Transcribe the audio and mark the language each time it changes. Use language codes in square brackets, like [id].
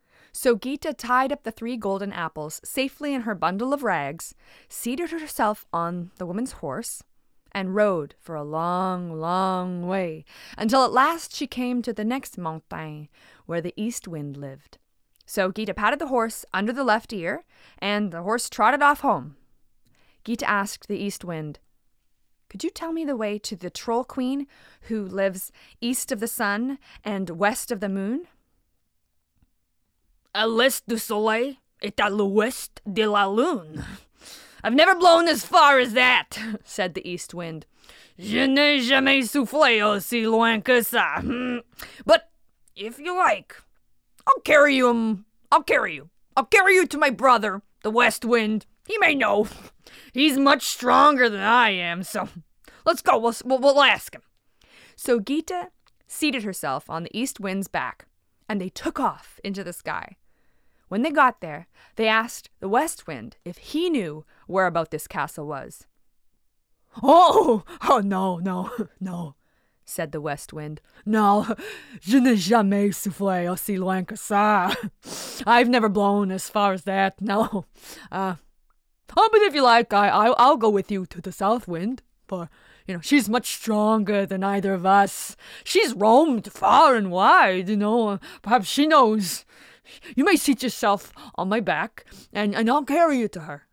[en] So Geeta tied up the three golden apples safely in her bundle of rags, seated herself on the woman's horse, and rode for a long, long way, until at last she came to the next mountain where the East Wind lived. So Geeta patted the horse under the left ear, and the horse trotted off home. Geeta asked the East Wind, "Could you tell me the way to the troll queen who lives east of the sun and west of the moon?" [fr] "À l'est du soleil et à l'ouest de la lune. [en] I've never blown as far as that," said the East Wind. [fr] "Je n'ai jamais soufflé aussi loin que ça. [en] But if you like, I'll carry you to my brother, the West Wind. He may know. He's much stronger than I am, so let's go. We'll ask him." So Geeta seated herself on the East Wind's back, and they took off into the sky. When they got there, they asked the West Wind if he knew where about this castle was. Oh, no, no, no, said the West Wind. [fr] No, je n'ai jamais soufflé aussi loin que ça. [en] I've never blown as far as that, no. Oh, but if you like, I'll go with you to the South Wind, for, you know, she's much stronger than either of us. She's roamed far and wide, you know, perhaps she knows. You may seat yourself on my back, and I'll carry you to her.